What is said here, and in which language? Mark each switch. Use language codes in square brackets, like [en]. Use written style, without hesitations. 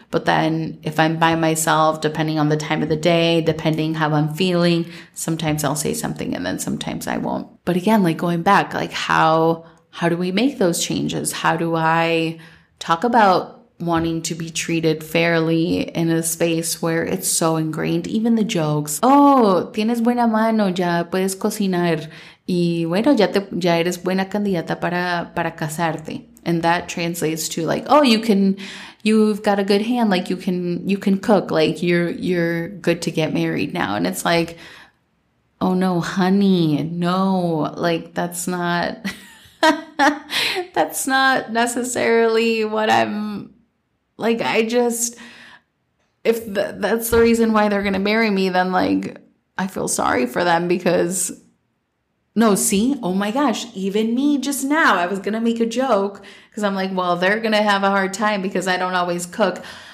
[en] But then if I'm by myself, depending on the time of the day, depending how I'm feeling, sometimes I'll say something and then sometimes I won't. But again, like going back, like how do we make those changes? How do I talk about wanting to be treated fairly in a space where it's so ingrained? Even the jokes. [es] Oh, tienes buena mano, ya puedes cocinar. Y bueno, ya eres buena candidata para casarte. [en] And that translates to like, oh, you've got a good hand. Like you can cook. Like you're good to get married now. And it's like, oh no, honey, no. Like that's not, that's not necessarily what I'm, like, I just, if that's the reason why they're going to marry me, then like, I feel sorry for them because, no, see, oh my gosh, even me just now, I was going to make a joke because I'm like, well, they're going to have a hard time because I don't always cook.